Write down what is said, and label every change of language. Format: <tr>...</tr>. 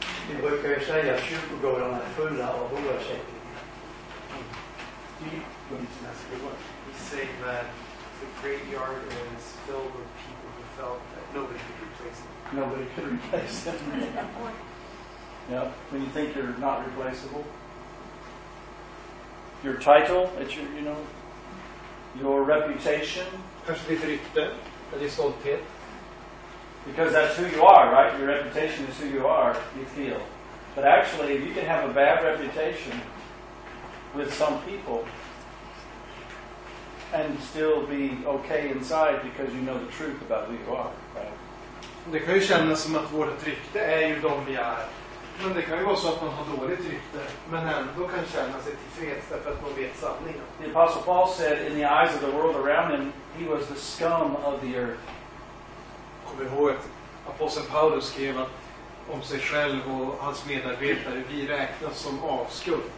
<sv>Vi brukar ju säga att kyrkogården är fulla av oavsättningar.</sv> <en>Deep into that's a good one. We say that the graveyard is filled with people who felt that nobody could replace them. Nobody could replace them. Yeah, when you think you're not replaceable. Your title, it's your, you know, your reputation.</en> <sv>Kanske ditt rykte, eller stolthet.</sv> <en>Because that's who you are, right? Your reputation is who you are, you feel. But actually, you can have a bad reputation with some people and still be okay inside because you know the truth about who you are, right?</en> <sv>Det kan ju kännas som att vårt rykte är ju de vi är. Men det kan ju vara så att man har dåligt rykte, men ändå kan känna sig tillfreds därför att man vet sanningen.</sv> <en>The Apostle Paul said in the eyes of the world around him, he was the scum of the earth.</en> <sv>Kom ihåg att aposteln Paulus skrev att om sig själv och hans medarbetare, vi räknas som avskum.</sv>